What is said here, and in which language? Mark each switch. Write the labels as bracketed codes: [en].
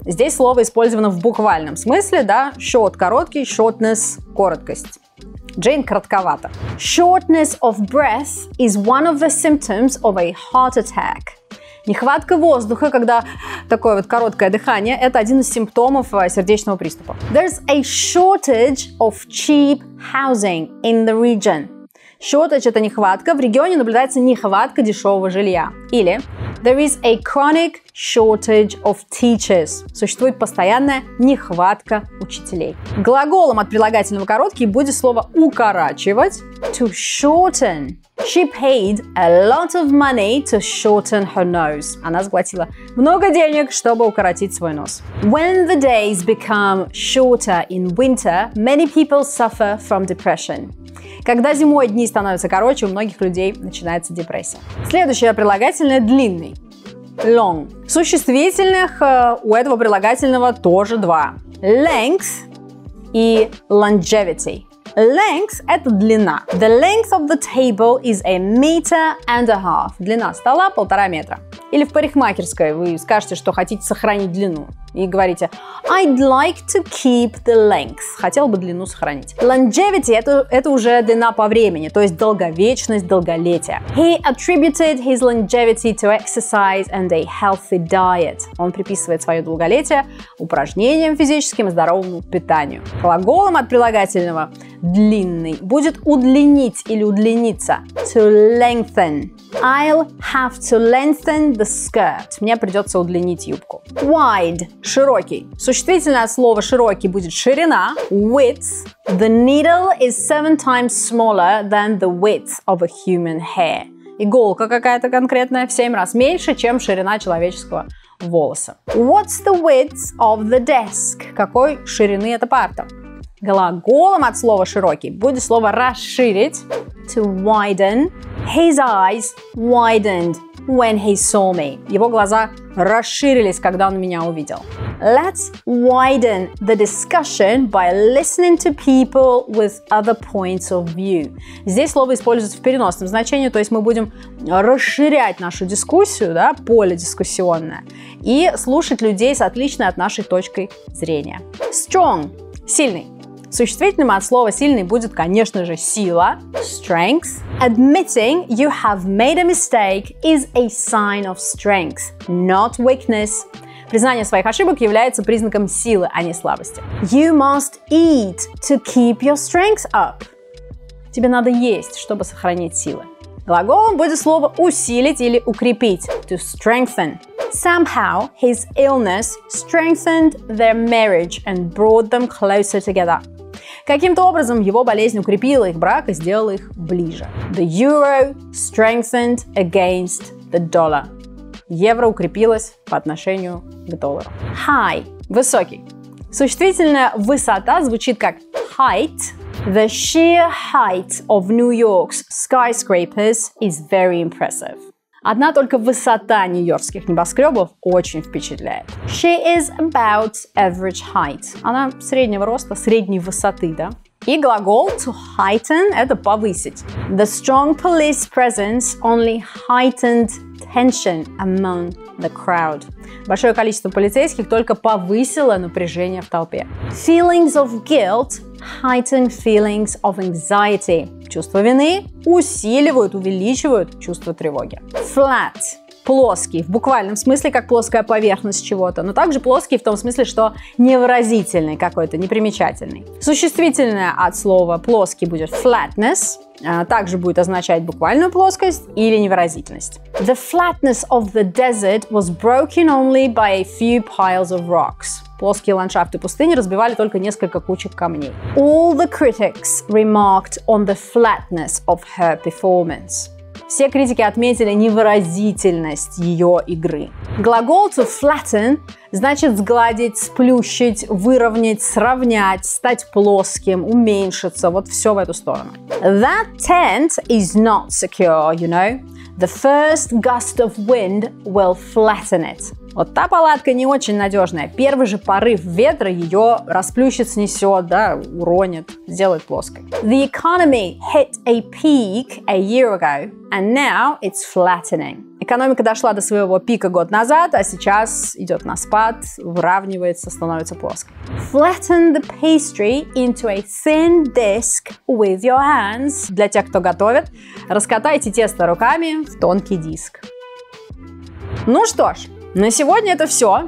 [ru] Здесь слово использовано в буквальном смысле, да, short – короткий, shortness – короткость. Джейн коротковата. [en] Shortness of breath is one of the symptoms of a heart attack. [ru] Нехватка воздуха, когда такое вот короткое дыхание, это один из симптомов сердечного приступа. [en] There's a shortage of cheap housing in the region. [ru] Shortage – это нехватка. В регионе наблюдается нехватка дешевого жилья. [en] Или there is a chronic shortage of teachers. [ru] Существует постоянная нехватка учителей. Глаголом от прилагательного короткий будет слово укорачивать. [en] To shorten. She paid a lot of money to shorten her nose. [ru] Она заплатила много денег, чтобы укоротить свой нос. [en] When the days become shorter in winter, many people suffer from depression. [ru] Когда зимой дни становятся короче, у многих людей начинается депрессия. Следующее прилагательное длинный. [en] Long. [ru] Существительных у этого прилагательного тоже два. [en] Length и longevity. [ru] Length – это длина. [en] The length of the table is a meter and a half. [ru] Длина стола – полтора метра. Или в парикмахерской вы скажете, что хотите сохранить длину. И говорите [en] I'd like to keep the length. [ru] Хотел бы длину сохранить. Longevity – это уже длина по времени, то есть долговечность, долголетие. [en] He attributed his longevity to exercise and a healthy diet. [ru] Он приписывает свое долголетие упражнениям физическим и здоровому питанию. Глаголом от прилагательного длинный будет удлинить или удлиниться. [en] To lengthen. I'll have to lengthen the skirt. [ru] Мне придется удлинить юбку. [en] Wide. Широкий. [ru] Существительное слово широкий будет ширина. [en] Width. The needle is 7 times smaller than the width of a human hair. [ru] Иголка какая-то конкретная в 7 раз меньше, чем ширина человеческого волоса. [en] What's the width of the desk? [ru] Какой ширины эта парта? Глаголом от слова широкий будет слово расширить. [en] To widen. His eyes widened when he saw me. [ru] Его глаза расширились, когда он меня увидел. [en] Let's widen the discussion by listening to people with other points of view. [ru] Здесь слово используется в переносном значении, то есть мы будем расширять нашу дискуссию, да, поле дискуссионное, и слушать людей с отличной от нашей точкой зрения. Strong – сильный. Существительным от слова сильный будет, конечно же, сила. [en] Strength. Admitting you have made a mistake is a sign of strength, not weakness. [ru] Признание своих ошибок является признаком силы, а не слабости. [en] You must eat to keep your strength up. [ru] Тебе надо есть, чтобы сохранить силы. Глаголом будет слово усилить или укрепить. [en] To strengthen. Somehow his illness strengthened their marriage and brought them closer together. [ru] Каким-то образом его болезнь укрепила их брак и сделала их ближе. [en] The euro strengthened against the dollar. [ru] Евро укрепилось по отношению к доллару. High – высокий. Существительная высота звучит как height. [en] The sheer height of New York's skyscrapers is very impressive. [ru] Одна только высота нью-йоркских небоскребов очень впечатляет. She is about average height. Она среднего роста, средней высоты, да? И глагол to heighten – это повысить. [en] The strong police presence only heightened tension among the crowd. [ru] Большое количество полицейских только повысило напряжение в толпе. [en] Feelings of guilt heighten feelings of anxiety. [ru] Чувство вины усиливают, увеличивают чувство тревоги. [en] Flat. [ru] Плоский, в буквальном смысле, как плоская поверхность чего-то, но также плоский в том смысле, что невыразительный какой-то, непримечательный. Существительное от слова плоский будет flatness, также будет означать буквальную плоскость или невыразительность. [en] The flatness of the desert was broken only by a few piles of rocks. [ru] Плоские ландшафты пустыни разбивали только несколько кучек камней. [en] All the critics remarked on the flatness of her performance. [ru] Все критики отметили невыразительность ее игры. Глагол to flatten значит сгладить, сплющить, выровнять, сравнять, стать плоским, уменьшиться, вот все в эту сторону. [en] That tent is not secure, you know. The first gust of wind will flatten it. [ru] Вот та палатка не очень надежная. Первый же порыв ветра ее расплющит, снесет, да, уронит, сделает плоской. [en] The economy hit a peak a year ago, and now it's flattening. [ru] Экономика дошла до своего пика год назад, а сейчас идет на спад, выравнивается, становится плоской. [en] Flatten the pastry into a thin disc with your hands. [ru] Для тех, кто готовит, раскатайте тесто руками в тонкий диск. Ну что ж, на сегодня это все.